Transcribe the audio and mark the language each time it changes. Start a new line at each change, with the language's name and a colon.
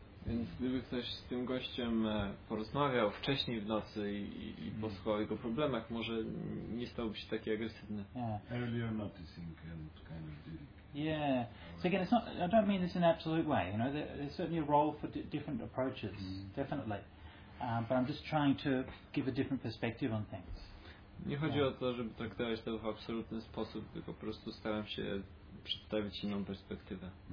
Polish: Więc gdyby ktoś z tym gościem porozmawiał wcześniej w nocy i posłuchał o jego problemach, może nie stałby się taki agresywny.
English: Earlier noticing and kind of doing. Yeah. So again, I don't mean this in an absolute way. You know, there's certainly a role for different approaches, definitely. But I'm just trying to give a different perspective on things.
Polish: Nie chodzi o to, żeby traktować to w absolutny sposób, tylko po prostu staram się przedstawić inną perspektywę.